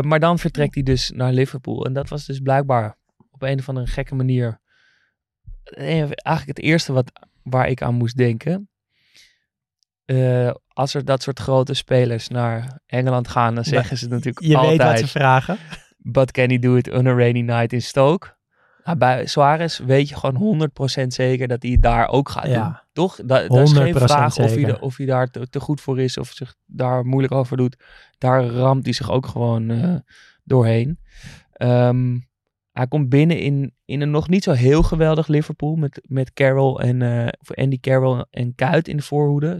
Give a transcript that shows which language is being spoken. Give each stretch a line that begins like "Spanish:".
Dutch: Maar dan vertrekt hij dus naar Liverpool. En dat was dus blijkbaar op een of andere gekke manier... eigenlijk het eerste waar ik aan moest denken. Als er dat soort grote spelers naar Engeland gaan... dan zeggen ze natuurlijk je altijd... Je weet wat ze vragen.
English: But can he do it on a rainy night in Stoke?
Dutch: Nou, bij Suarez weet je gewoon 100% zeker dat hij daar ook gaat doen. Toch? Daar is geen vraag of hij daar te goed voor is of zich daar moeilijk over doet. Daar ramt hij zich ook gewoon doorheen. Hij komt binnen in een nog niet zo heel geweldig Liverpool met Carroll en Andy Carroll en Kuyt in de voorhoede.